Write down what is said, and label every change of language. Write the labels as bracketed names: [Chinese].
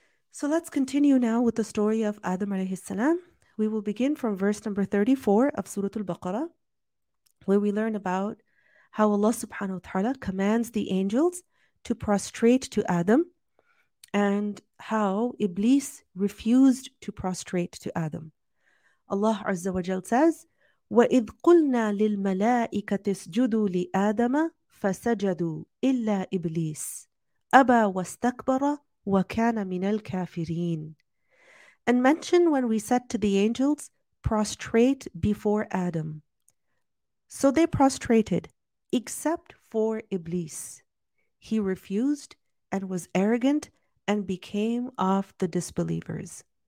[English] So let's continue now with the story of Adam alayhi salam. We will begin from verse number 34 of Surah Al-Baqarah, where we learn about how Allah subhanahu wa ta'ala commands the angels to prostrate to Adam and how Iblis refused to prostrate to Adam. Allah Azza wa Jal says, [Arabic] وَإِذْ قُلْنَا لِلْمَلَائِكَةِ اسْجُدُوا لِآدَمَ فَسَجَدُوا إِلَّا إِبْلِيسَ أَبَى وَاسْتَكْبَرَ وَكَانَ مِنَ الْكَافِرِينَ. [English] And mention when we said to the angels, prostrate before Adam. So they prostrated, except for Iblis. He refused and was arrogant and became of the disbelievers.